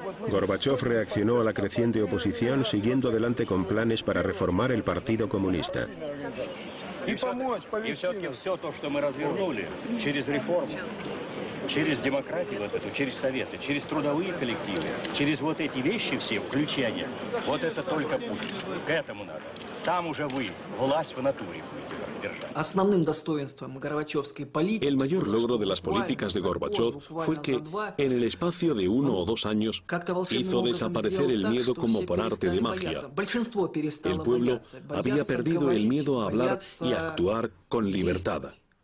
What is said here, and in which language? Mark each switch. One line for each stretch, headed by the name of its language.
Spanish: Gorbachov reaccionó a la creciente oposición siguiendo adelante con planes para reformar el Partido Comunista.
Russian: Y все-таки все то, что мы развернули через реформу, через демократию вот эту, через советы, через трудовые коллективы, через вот эти вещи все, включения, вот это только путь. К этому надо. Там уже вы, власть в натуре будете.
Spanish: El mayor logro de las políticas de Gorbachov fue que, en el espacio de uno o dos años, hizo desaparecer el miedo como por arte de magia. El pueblo había perdido el miedo a hablar y a actuar con libertad.